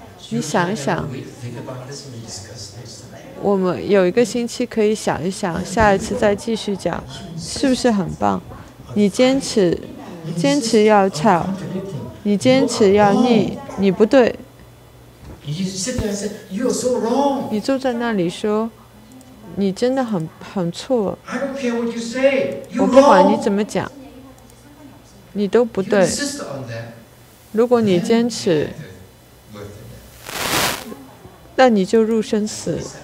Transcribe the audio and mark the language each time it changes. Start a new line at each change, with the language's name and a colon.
Chinese: 你想一想，我们有一个星期可以想一想，下一次再继续讲，是不是很棒？你坚持，坚持要吵，你坚持要逆，你不对。
English: You sit there and say, "You are so wrong."
Chinese: 你坐在那里说，你真的很错。
English: I don't care what you say. You're wrong.
Chinese: 我不管你怎么讲，你都不对。
English: You insist on that.
Chinese: 如果你坚持，那你就入生死。